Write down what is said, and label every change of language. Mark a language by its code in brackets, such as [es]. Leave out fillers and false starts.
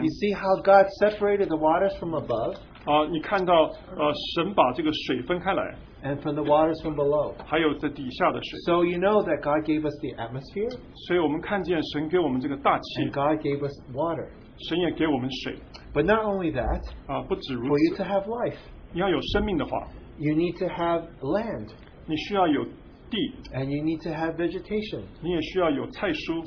[en] you see how God separated the waters from above. [zh] 你看到神把这个水分开来, [en] and from the waters from below. [zh] 还有在底下的水。 [en] So you know that God gave us the atmosphere. [zh] 所以我们看见神给我们这个大气, [en] and God gave us water. [zh] 神也给我们水。 [en] But not only that, [zh] 不止如此, [en] for you to have life, [zh] 你要有生命的话, [en] you need to have land. [zh] 你需要有地, [en] and you need to have vegetation. [zh] 你也需要有菜蔬。